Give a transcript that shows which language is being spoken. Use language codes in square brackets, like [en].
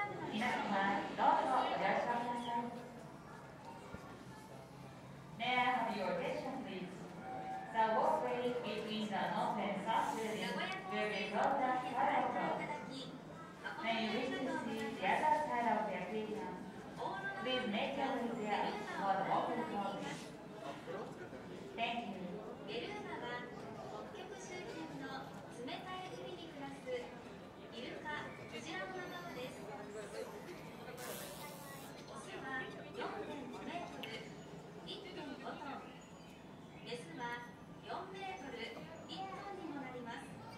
[ja] 皆様、どうぞご了承ください。 [en] May I have your attention, please? The walkway between the north and south building will be brought down quite often. When you wish to see the other side of the aquarium, please make your way there for the open lobby. Thank you. [ja] ベルーガは北極周辺の冷たい海に暮らすイルカ、クジラの仲間です。オスは 4.5m、1.5トン、メスは4m、1トンにもなります。